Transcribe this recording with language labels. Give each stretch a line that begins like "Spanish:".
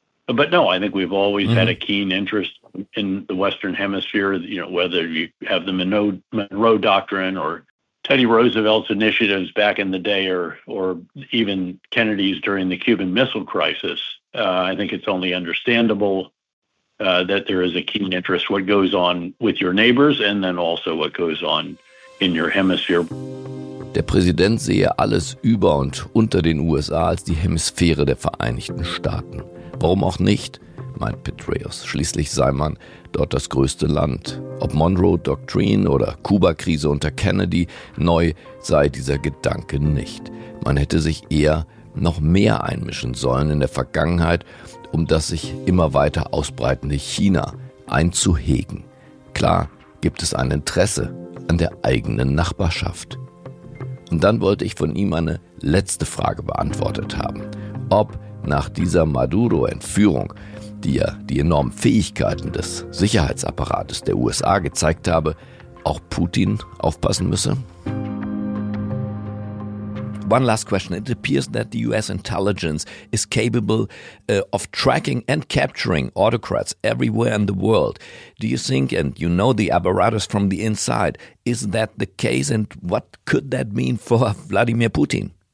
English: But no, I think we've always had a keen interest in the Western Hemisphere, you know, whether you have the Monroe Doctrine or Teddy Roosevelt's initiatives back in the day or even Kennedy's during the Cuban Missile Crisis. I think it's only understandable that there is a keen interest what goes on with your neighbors and then also what goes on in your hemisphere.
German: Der Präsident sehe alles über und unter den USA als die Hemisphäre der Vereinigten Staaten. Warum auch nicht, meint Petraeus. Schließlich sei man dort das größte Land. Ob Monroe Doctrine oder Kuba-Krise unter Kennedy, neu sei dieser Gedanke nicht. Man hätte sich eher noch mehr einmischen sollen in der Vergangenheit, um das sich immer weiter ausbreitende China einzuhegen. Klar gibt es ein Interesse an der eigenen Nachbarschaft. Und dann wollte ich von ihm eine letzte Frage beantwortet haben. Ob nach dieser Maduro-Entführung, die ja die enormen Fähigkeiten des Sicherheitsapparates der USA gezeigt habe, auch Putin aufpassen müsse?
English: One last question. It appears that the US intelligence is capable of tracking and capturing autocrats everywhere in the world. Do you think, and you know the apparatus from the inside, is that the case and what could that mean for Vladimir Putin?